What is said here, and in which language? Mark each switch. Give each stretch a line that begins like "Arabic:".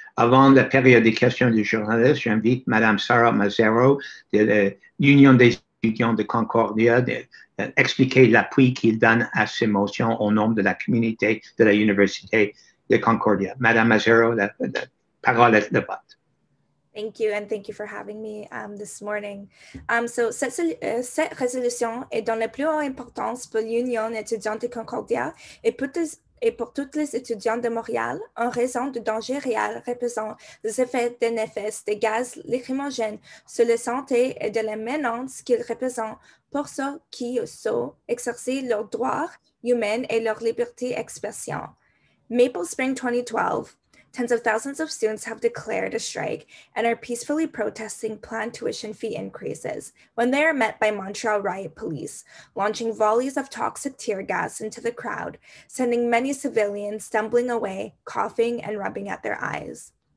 French: Avant la période des questions des journalistes, j'invite Mme Sarah Mazzaro de l'Union des étudiants de Concordia d'expliquer l'appui qu'il donne à ces motions au nom de la communauté de la Université de Concordia. Mme Mazzaro, la parole est à vous.
English: Thank you, and thank you for having me this morning.
French: So, cette résolution est dans la plus haute importance pour l'Union étudiante de Concordia et pour et pour toutes les étudiantes de Montréal en raison du danger réel représentant les effets néfastes des gaz lacrymogènes sur la santé et de la menace qu'ils représentent pour ceux qui osent exercer leurs droits humains et leur liberté d'expression.
English: Maple Spring 2012, tens of thousands of students have declared a strike and are peacefully protesting planned tuition fee increases when they are met by Montreal riot police, launching volleys of toxic tear gas into the crowd, sending many civilians stumbling away, coughing and rubbing at their eyes.